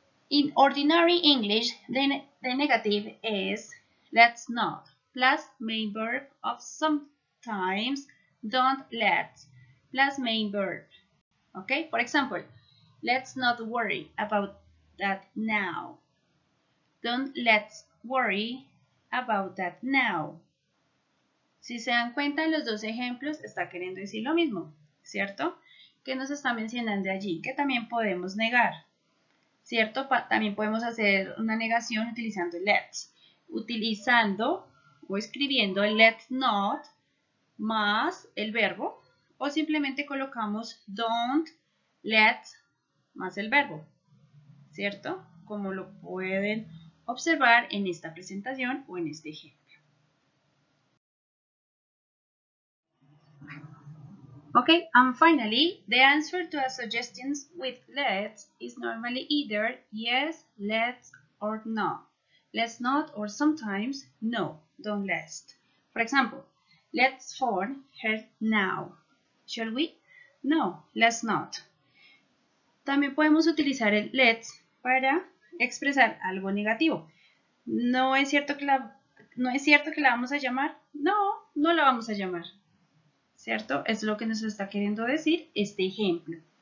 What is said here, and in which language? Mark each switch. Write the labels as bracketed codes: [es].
[en] In ordinary English, the negative is let's not plus main verb of sometimes don't let plus main verb. Ok, for example, let's not worry about that now. Don't let's worry about that now. [es] Si se dan cuenta en los dos ejemplos, está queriendo decir lo mismo, ¿cierto? Que nos está mencionando allí, que también podemos negar, ¿cierto? También podemos hacer una negación utilizando let's. Utilizando o escribiendo el let's not más el verbo, o simplemente colocamos don't let's más el verbo, ¿cierto? Como lo pueden observar en esta presentación o en este ejemplo. [en] Okay, and finally, the answer to a suggestion with let's is normally either yes, let's, or no. Let's not, or sometimes, no, don't let. For example, let's phone her now. Shall we? No, let's not. [es] También podemos utilizar el let's para expresar algo negativo. ¿No es cierto que la vamos a llamar? No, no la vamos a llamar. ¿Cierto? Es lo que nos está queriendo decir este ejemplo.